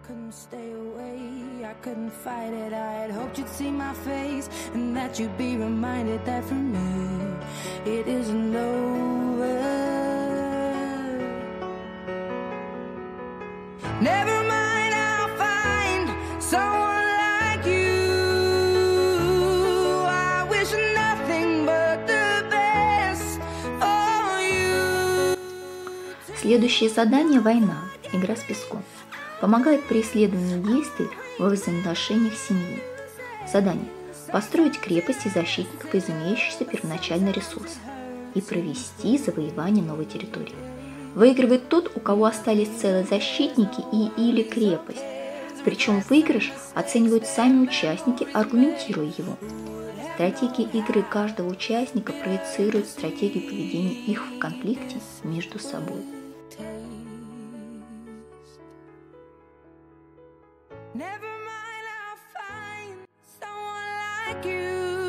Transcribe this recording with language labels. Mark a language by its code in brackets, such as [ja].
[en] Stay away, I couldn't fight it. I had hoped you'd see my face and that you'd be reminded that for me it isn't over. Never mind, I'll find someone like you. I wish nothing but the best for you. [ru] Следующее задание — «Война. Игра с песком». Помогает при исследовании действий во взаимоотношениях семьи. Задание. Построить крепость и защитников из имеющихся первоначально ресурсов и провести завоевание новой территории. Выигрывает тот, у кого остались целые защитники и или крепость. Причем выигрыш оценивают сами участники, аргументируя его. Стратегия игры каждого участника проецирует стратегию поведения их в конфликте между собой. [en] Never mind, I'll find someone like you.